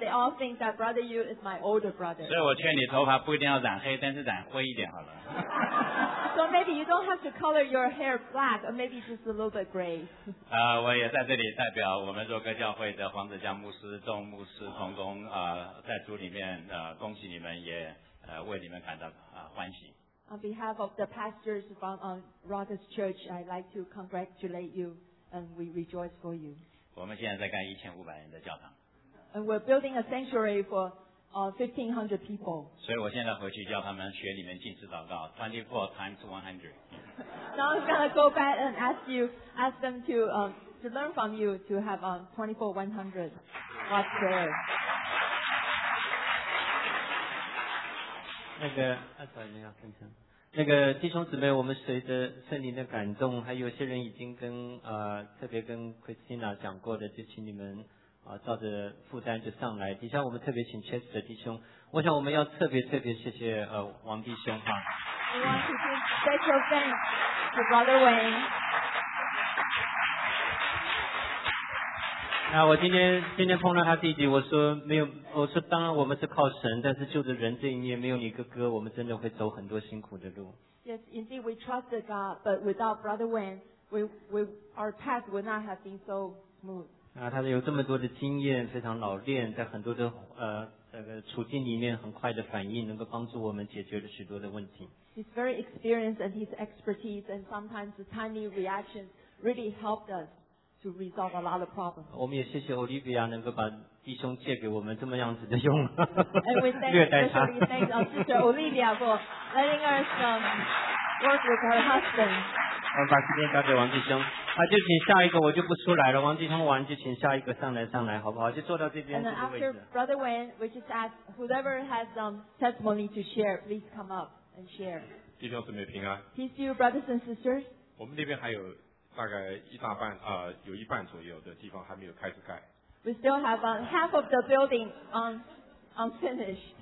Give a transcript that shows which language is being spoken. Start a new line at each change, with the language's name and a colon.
English: They all think that brother Yu is my older brother.
Chinese: 所以我劝你头发不一定要染黑，但是染灰一点好了。
English: So maybe you don't have to color your hair black, or maybe just a little bit gray.
Chinese: 我也在这里代表我们若歌教会的黄子江牧师、钟牧师同工在主里面恭喜你们，也为你们感到欢喜。
English: On behalf of the pastors from Rogers Church, I'd like to congratulate you, and we rejoice for you.
Chinese: 我们现在在盖1500人的教堂。
English: And we're building a sanctuary for 1500 people.
Chinese: 所以我现在回去叫他们学你们禁止祷告
English: 24 times 100. Now I'm gonna go back and ask them to learn from you to have 24 100 watch prayer.
Chinese: 那个阿嫂你要分享。那个弟兄姊妹，我们随着圣灵的感动，还有些人已经跟特别跟 Christina 讲过的，就请你们照着负担就上来。底下我们特别请 Chester 弟兄，我想我们要特别特别谢谢王弟兄哈。
English: We want to give special thanks to Brother Wayne。
Chinese: 那我今天碰到他弟弟，我说没有，我说当然我们是靠神，但是就着人这一面，没有你哥哥，我们真的会走很多辛苦的路。
English: Yes, indeed, we trusted God, but without Brother Wayne, we our path would not have been so smooth.
Chinese: 那他有这么多的经验，非常老练，在很多的处境里面很快的反应，能够帮助我们解决了许多的问题。
English: He's very experienced and his expertise, and sometimes the tiny reactions really helped us. To resolve a lot of problems.
Chinese: 我们也谢谢 Olivia 能够把弟兄借给我们这么样子的用，略带他。
English: Olivia for letting us work with her husband.
Chinese: 我把时间交给王弟兄，就请下一个，我就不出来了。王弟兄完就请下一个上来，好不好？就坐到这边。
English: And after Brother Wayne, we just ask whoever has testimony to share, please come up and share.
Chinese: 弟兄姊妹平安。
English: Peace to you, brothers and sisters.
Chinese: 我们那边还有。大概一大半有一半左右的地方还没有开始盖。
English: We still have half of the building unfinished.